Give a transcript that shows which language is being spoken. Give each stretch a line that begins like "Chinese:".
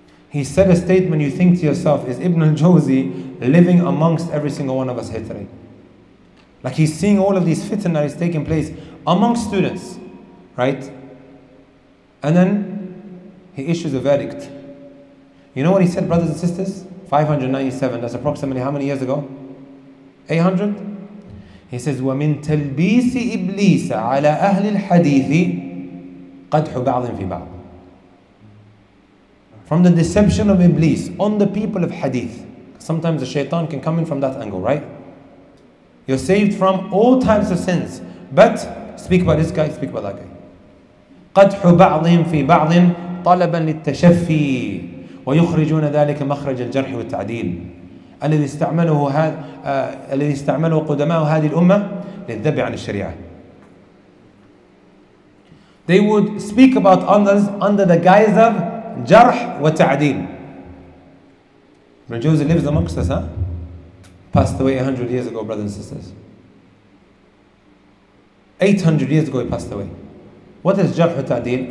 English: He said a statement, you think to yourself, is Ibn al-Jawzi living amongst every single one of us here today? Like he's seeing all of these fitna that is taking place amongst students, right? And then he issues a verdict. You know what he said, brothers and sisters? 597, that's approximately how many years ago? 800?
Arabic: He says, وَمِن تَلْبِيسِ إِبْلِيسَ عَلَىٰ أَهْلِ الْحَدِيثِ قَدْحُ بَعْضٍ فِي بَعْضٍ.
English: From the deception of Iblis on the people of Hadith. Sometimes the shaitan can come in from that angle, right? You're saved from all types of sins. But speak about this guy, speak about that guy.
Arabic: قدح بعضهم في بعض طلبا للتشفي ويخرجون ذلك مخرج الجرح والتعديل الذي استعمله الذي استعمله قدماء هذه الأمة للذب عن الشريعة.
English: They would speak about others under the guise of جرح وتعديل. Ibn Jawzi lives amongst us, huh? Passed away 100 years ago, brothers and sisters. 800 years ago he passed away. What is جرح وتعديل?